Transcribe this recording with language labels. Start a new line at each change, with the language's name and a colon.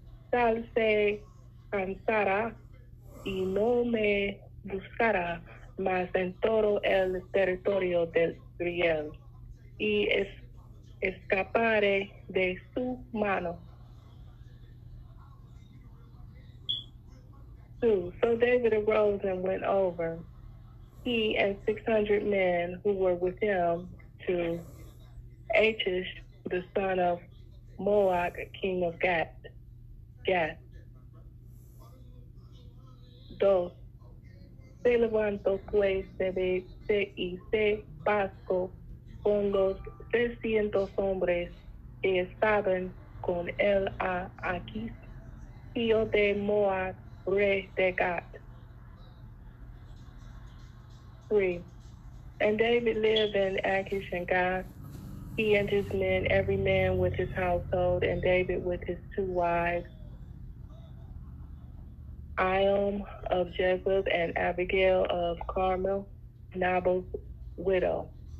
Spanish: Tal se cansará y no me buscará más en todo el territorio del Israel, y escaparé de su mano.
English: So David arose and went over, he and 600 men who were with him, to Achish, the son of Moach, king of Gath.
Spanish: Dos. Se levantó pues David y se pasó con los 600 hombres que estaban con él a Achish, hijo de Moach, rey de Gat.
English: 3. And David lived in Achish and Gat, he and his men, every man with his household, and David with his two wives, Iom of Jezreel and Abigail of Carmel, Nabal's widow.